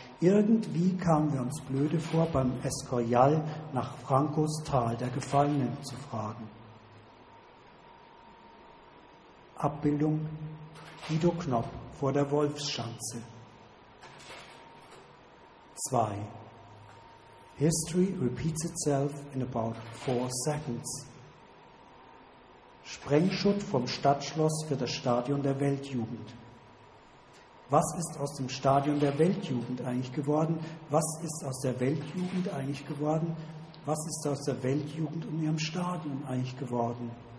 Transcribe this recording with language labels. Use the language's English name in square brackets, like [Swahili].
[German] Irgendwie kamen wir uns blöde vor, beim Escorial nach Frankos Tal der Gefallenen zu fragen. Abbildung Guido Knopp vor der Wolfsschanze. 2. [English] History repeats itself in about 4 seconds. [German] Sprengschutt vom Stadtschloss für das Stadion der Weltjugend. Was ist aus dem Stadion der Weltjugend eigentlich geworden? Was ist aus der Weltjugend eigentlich geworden? Was ist aus der Weltjugend in ihrem Stadion eigentlich geworden?